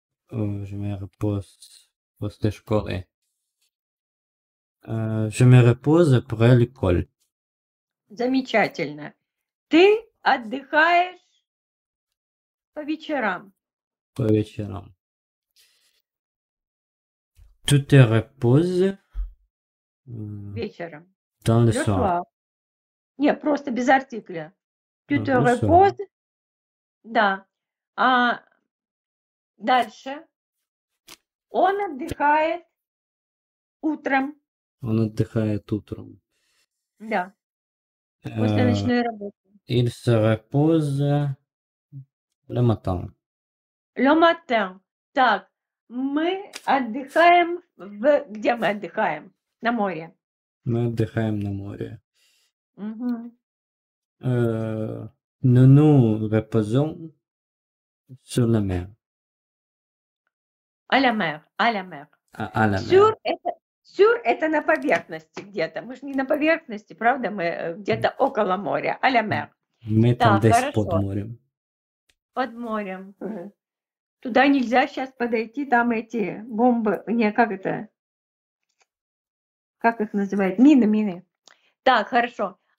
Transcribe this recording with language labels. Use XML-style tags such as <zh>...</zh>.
<fr>Je me repose</fr> <ru>после школы.</ru> <fr>Je me repose après l'école.</fr> <ru>Замечательно. Ты отдыхаешь по вечерам. По вечерам.</ru> <fr>Tu te reposes</fr> <ru>вечером.</ru> <fr>Dans le soir.</fr> <ru>Не, просто без артикля.</ru> <fr>Tu te reposes.</fr> <ru>Да. А дальше. Он отдыхает утром. Он отдыхает утром. Да. После ночной работы.</ru> <fr>Il se repose le matin. Le matin.</fr> <ru>Так. Мы отдыхаем в... Где мы отдыхаем? На море. Мы отдыхаем на море. Угу.</ru> <fr>Nous nous reposons sur la mer. À la mer. À la mer. À la mer.</fr> <ru>Sur, это... Sur это на поверхности где-то. Мы же не на поверхности, правда? Мы где-то около моря.</ru> <fr>À la mer.</fr> <ru>Мы там да, десь под морем. Под морем. Туда нельзя сейчас подойти, там эти бомбы, не, как это, как их называют, мины, мины. Так, хорошо.</ru>